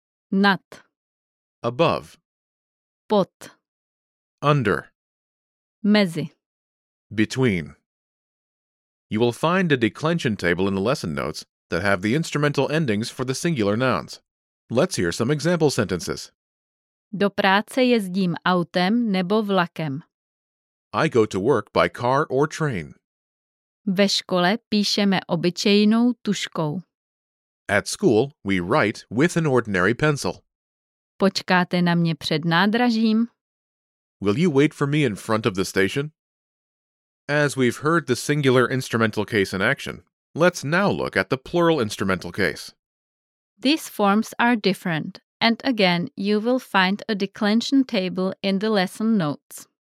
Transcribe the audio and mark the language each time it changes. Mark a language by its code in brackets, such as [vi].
[cs] Nad. [en] Above. [cs] Pod. [en] Under. [cs] Mezi. [en] Between. You will find a declension table in the lesson notes that have the instrumental endings for the singular nouns. Let's hear some example sentences. [cs] Do práce jezdím autem nebo vlakem. [en] I go to work by car or train. [cs] Ve škole píšeme obyčejnou tuškou. [en] At school, we write with an ordinary pencil. [cs] Počkáte na mě před nádražím? [en] Will you wait for me in front of the station? As we've heard the singular instrumental case in action, let's now look at the plural instrumental case. These forms are different, and again, you will find a declension table in the lesson notes.